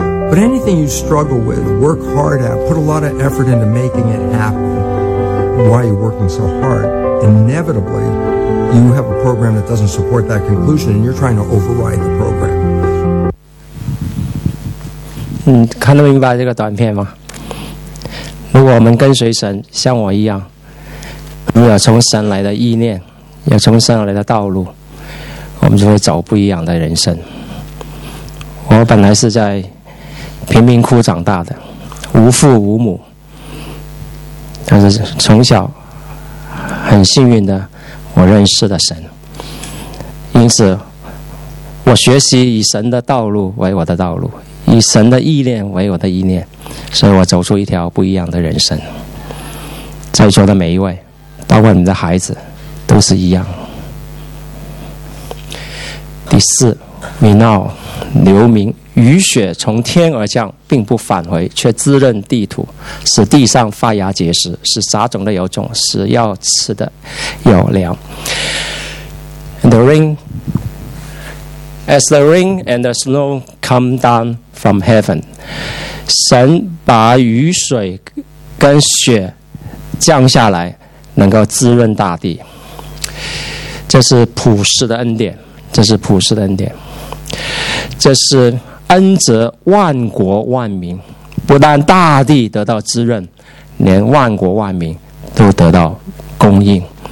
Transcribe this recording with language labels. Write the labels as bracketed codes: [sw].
[en] But anything you struggle with, work hard at, put a lot of effort into making it happen, why are you working so hard? Inevitably, you have a program that doesn't support that conclusion and you're trying to override the program. [zh] 看得明白这个短片吗？如果我们跟随神，像我一样，如果从神来的意念，要从神来的道路，我们就会走不一样的人生。我本来是在贫民窟长大的，无父无母，但是从小很幸运的，我认识了神，因此我学习以神的道路为我的道路，以神的意念为我的意念，所以我走出一条不一样的人生。在座的每一位，包括你的孩子，都是一样。第四，米闹流民，雨雪从天而降，并不返回，却滋润地土，使地上发芽结实，使杂种的有种，使要吃的有粮。 [en] The rain, as the rain and the snow come down. From heaven, [zh] 神把雨水跟雪降下来，能够滋润大地。这是普世的恩典，这是普世的恩典，这是恩泽万国万民，不但大地得到滋润，连万国万民都得到供应。